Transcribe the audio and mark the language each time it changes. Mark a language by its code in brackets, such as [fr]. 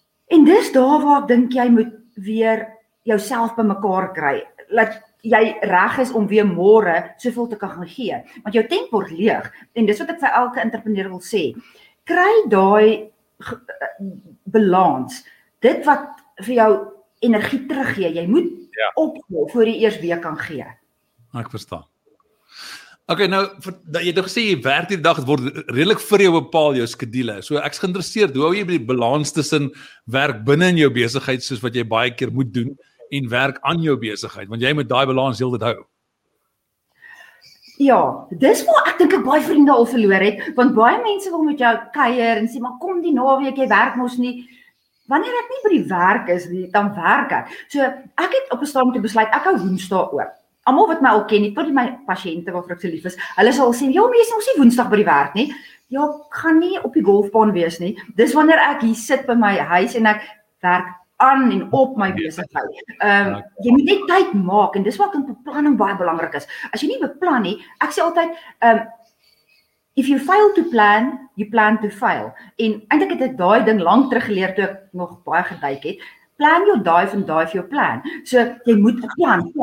[af] En dis daar waar ek dink jy moet weer jouself by mekaar kry. Laat jy reg is om weer môre soveel te kan gaan gee. Want jou tent word leeg. En dis wat ek vir elke entrepreneur wil sê. Kry daai balans. Dit wat vir jou energie teruggee. Jy moet opgee voor die eerste week kan gee. Ek verstaan. OK, nou, jy het gesê, jy werk die dag, het word redelik vir jou bepaal jou skedule. So ek is geïnteresseerd, hoe hou jy by die balans tussen werk binne in jou besigheid, soos wat jy baie keer moet doen, en werk aan jou besigheid, want jy moet daai balans heel dit hou. Ja, dis waar ek dink ek baie vriende al verloor het, want baie mense wil met jou kuier en sê, maar kom die naweek, jy werk mos nie. Wanneer ek nie by die werk is, dan werk ek. So ek het op 'n stadium te besluit, ek hou Woensdae oop. Almal wat my al ken, tot my pasiënte waarvoor ek so lief is, hulle sal sê, ja, mense, ons nie Woensdag by die werk nie. Ja, gaan nie op die golfbaan wees nie. Dis wanneer ek hier sit by my huis en ek werk aan en op my besigheid. Jy moet net tyd maak en dis wat in beplanning baie belangrik is. As jy nie beplan nie, ek sê altyd, [en] if you fail to plan, you plan to fail. [af] En eintlik het ek daai ding lank terug geleer toe ek nog baie geduik het. Plan jou dive en dive jou plan. So, jy moet plan.